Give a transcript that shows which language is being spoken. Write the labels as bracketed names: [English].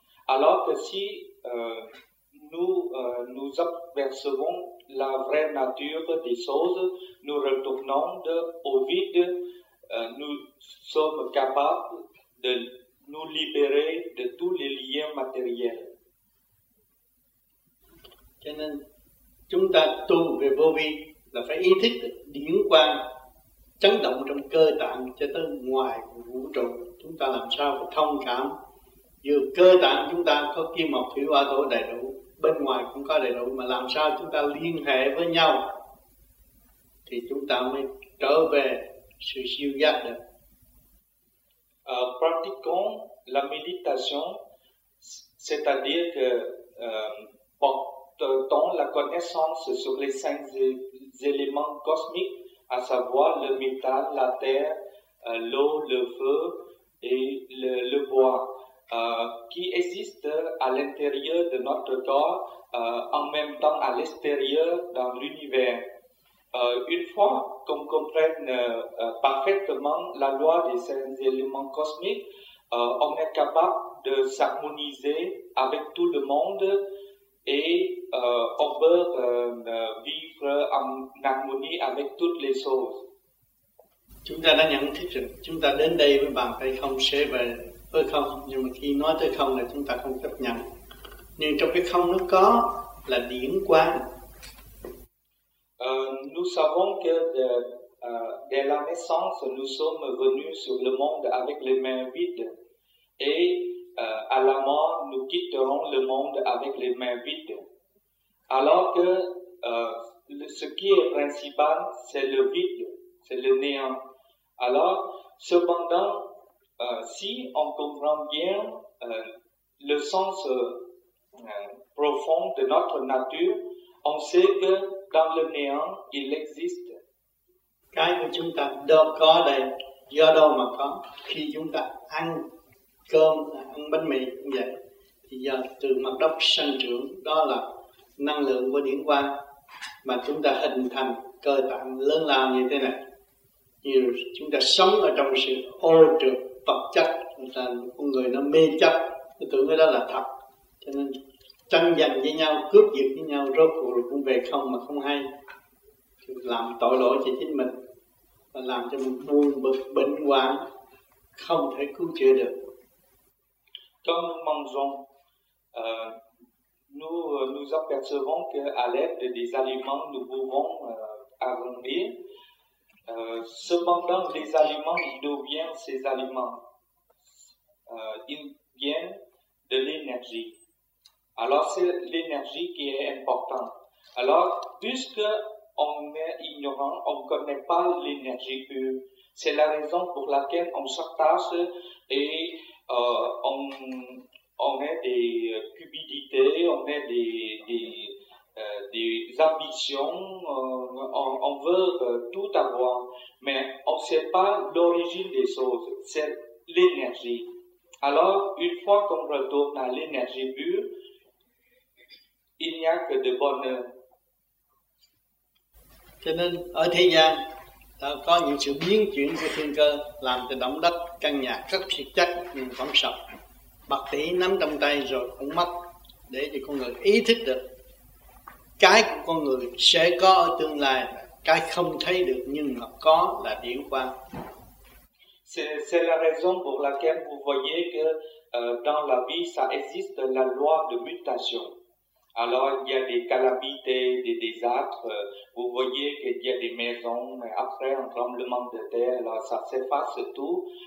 [French] Alors que si nous apercevons la vraie nature des choses, nous retournons au vide, nous sommes capables de nous libérer de tous les liens matériels. [Vietnamese] Cho nên chúng ta tu về vô vi là phải ý thức được điển quang chấn động trong cơ tạng cho tới ngoài vũ trụ. Chúng ta làm sao phải thông cảm, dù cơ tạng chúng ta có kim mộc thủy hỏa thổ đầy đủ, bên ngoài cũng có đầy đủ, mà làm sao chúng ta liên hệ với nhau thì chúng ta mới trở về sự siêu giác được. [French] Pratiquons la méditation, c'est-à-dire que portons la connaissance sur les cinq éléments cosmiques, à savoir le métal, la terre, l'eau, le feu et le bois, qui existent à l'intérieur de notre corps, en même temps à l'extérieur dans l'univers. Une fois qu'on comprenne parfaitement la loi des cinq éléments cosmiques, on est capable de s'harmoniser avec tout le monde et on peut vivre en harmonie avec toutes les choses. [Vietnamese] Chúng ta đã nhận thức rồi, chúng ta đến đây với bàn tay không, sẽ về với không. Nhưng mà khi nói tới không là chúng ta không chấp nhận. Nhưng trong cái không nó có là điển quang. [French] Nous savons que dès la naissance, nous sommes venus sur le monde avec les mains vides. Et à la mort, nous quitterons le monde avec les mains vides. Alors que ce qui est principal, c'est le vide, c'est le néant. Alors, cependant, si on comprend bien le sens profond de notre nature, on sait que dans le néant, il existe. [Vietnamese] Cái mà chúng ta đâu có đây, do đâu mà có? Khi chúng ta ăn cơm, ăn bánh mì cũng vậy, thì giờ từ mặt đất sinh trưởng, đó là năng lượng của điển quang mà chúng ta hình thành cơ tạng lớn lao như thế này. Như chúng ta sống ở trong sự ô trược vật chất, là con người nó mê chấp, nó tưởng cái đó là thật, cho nên tranh giành với nhau, cướp giật với nhau, rốt cuộc rồi cũng về không mà không hay, làm tội lỗi cho chính mình và làm cho mình buồn bực bệnh hoạn, không thể cứu chữa được. [French] Quand nous mangeons, nous apercevons que à l'aide des aliments nous pouvons arrondir. Cependant, les aliments, d'où viennent ces aliments? Ils viennent de l'énergie. Alors, c'est l'énergie qui est importante. Alors, puisque on est ignorant, on ne connaît pas l'énergie pure, c'est la raison pour laquelle on s'attache et on a des cupidités, on a des ambitions, on veut tout avoir, mais on ne sait pas l'origine des choses, c'est l'énergie. Alors, une fois qu'on retourne à l'énergie pure, il n'y a que de bonheur. [Vietnamese] Cho nên, ở thế gian, có những sự biến chuyển của thiên cơ, làm cho động đất, căn nhà rất thiệt chắc, nhưng vẫn sập. Bạc tỷ nắm trong tay rồi cũng mất, để cho con người ý thức được. Cái của con người sẽ có ở tương lai, cái không thấy được nhưng mà có là điển quang. [French] C'est la raison pour laquelle vous voyez que dans la vie, ça existe la loi de mutation. Alors, il y a des calamités, des désastres. Vous voyez qu'il y a des maisons, mais après un tremblement de terre, alors ça s'efface tout.